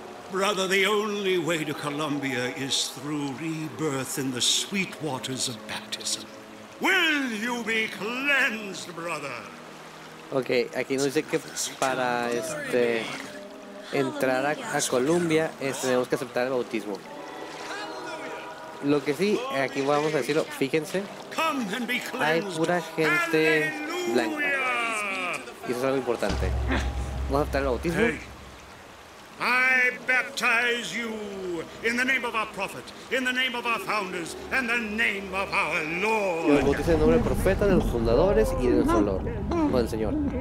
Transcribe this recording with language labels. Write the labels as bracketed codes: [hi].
[en] Brother, the only way to Colombia is through rebirth in the sweet waters of baptism. Will you be cleansed, brother? [es] Okay, aquí nos dice que para entrar a Colombia tenemos que aceptar el bautismo. Lo que sí, aquí vamos a decirlo, fíjense, hay pura gente blanca. Y eso es algo importante. Vamos a aceptar el bautismo. [en] I baptize you in the name of our prophet, in the name of our founders, and the name of our Lord. [es] Yo bautizo en nombre del profeta, de los fundadores y de nuestro Lord, del Señor.